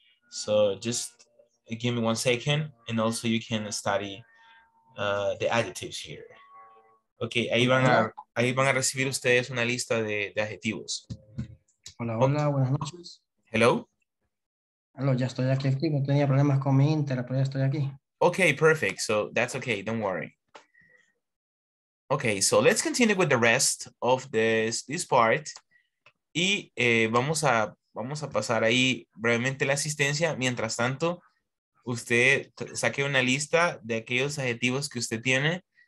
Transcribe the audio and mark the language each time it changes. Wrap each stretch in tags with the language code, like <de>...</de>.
<en>So just give me 1 second, and also you can study the adjectives here.</en> <es>Okay, ahí van a recibir ustedes una lista de adjetivos. Hola, hola, buenas noches.</es> <en>Hello.</en> <es>Hello, ya estoy aquí, no tenía problemas con mi internet, pero ya estoy aquí.</es> <en>Okay, perfect. So that's okay, don't worry. Okay, so let's continue with the rest of this part.</en> <es>Y vamos a pasar ahí brevemente la asistencia. Mientras tanto, usted saque una lista de aquellos adjetivos que usted tiene.</es>